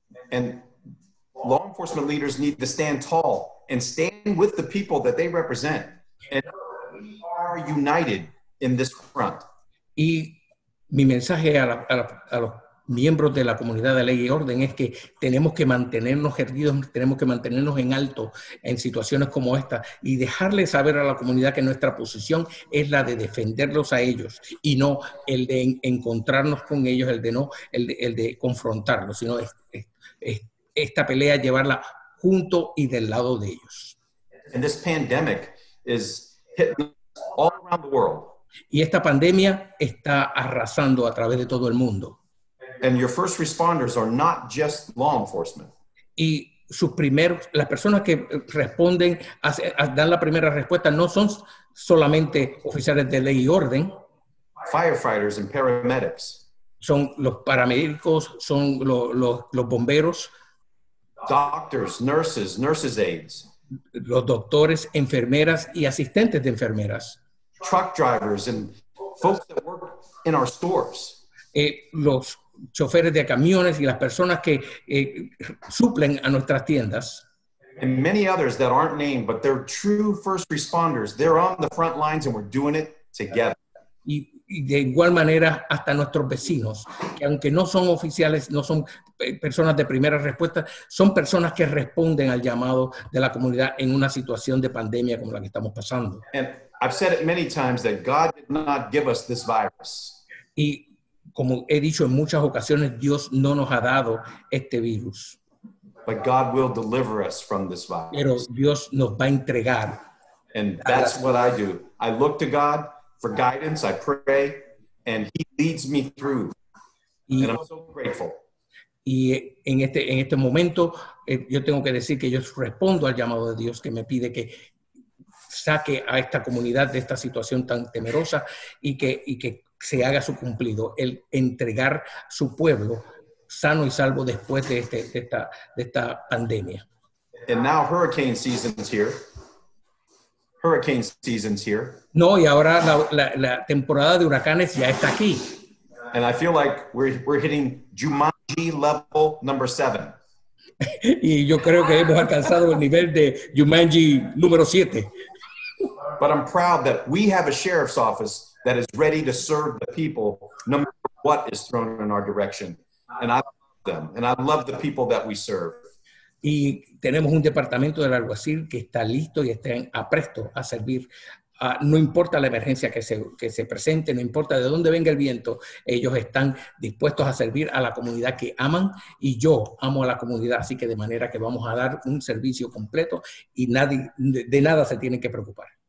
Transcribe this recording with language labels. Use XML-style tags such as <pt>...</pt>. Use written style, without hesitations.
<en>And law enforcement leaders need to stand tall and stand with the people that they represent. And we are united in this front.</en> <es>Y mi mensaje a los miembros de la comunidad de ley y orden es que tenemos que mantenernos erguidos, tenemos que mantenernos en alto en situaciones como esta y dejarle saber a la comunidad que nuestra posición es la de defenderlos a ellos y no el de encontrarnos con ellos, el de confrontarlos, sino es esta pelea llevarla junto y del lado de ellos.</es> <en>And this pandemic is hitting all around the world.</en> <es>Y esta pandemia está arrasando a través de todo el mundo.</es> <en>And your first responders are not just law enforcement.</en> <es>Y sus primeros, las personas que responden, dan la primera respuesta, no son solamente oficiales de ley y orden.</es> <en>Firefighters and paramedics.</en> <es>Son los paramédicos, son los bomberos.</es> <en>Doctors, nurses, nurses aides.</en> <es>Los doctores, enfermeras y asistentes de enfermeras.</es> <en>Truck drivers and folks that work in our stores.</en> <es>Los choferes de camiones y las personas que suplen a nuestras tiendas.</es> <en>And many others that aren't named, but they're true first responders. They're on the front lines and we're doing it together.</en> <es>Y de igual manera hasta nuestros vecinos, que aunque no son oficiales, no son personas de primera respuesta, son personas que responden al llamado de la comunidad en una situación de pandemia como la que estamos pasando.</es> <en>And I've said it many times that God did not give us this virus.</en> <es>Y como he dicho en muchas ocasiones, Dios no nos ha dado este virus.</es> <en>But God will deliver us from this virus.</en> <es>Pero Dios nos va a entregar.</es> <en>And that's what I do. I look to God for guidance, I pray, and he leads me through. And I'm so grateful.</en> <es>Y en este momento, yo tengo que decir que yo respondo al llamado de Dios que me pide que saque a esta comunidad de esta situación tan temerosa y que se haga su cumplido, el entregar su pueblo sano y salvo después de esta pandemia.</es> <en>And now hurricane season's here. Hurricane season's here.</en> <es>No, y ahora la temporada de huracanes ya está aquí.</es> <en>And I feel like we're hitting Jumanji level number 7.</en> <es>Y yo creo que hemos alcanzado el nivel de Jumanji número 7.</es> <en>But I'm proud that we have a sheriff's office that is ready to serve the people no matter what is thrown in our direction. And I love them. And I love the people that we serve.</en> <es>Y tenemos un departamento del alguacil que está listo y está apresto a servir. No importa la emergencia que se presente, no importa de dónde venga el viento, ellos están dispuestos a servir a la comunidad que aman y yo amo a la comunidad. Así que de manera que vamos a dar un servicio completo y nadie de nada se tiene que preocupar.</es>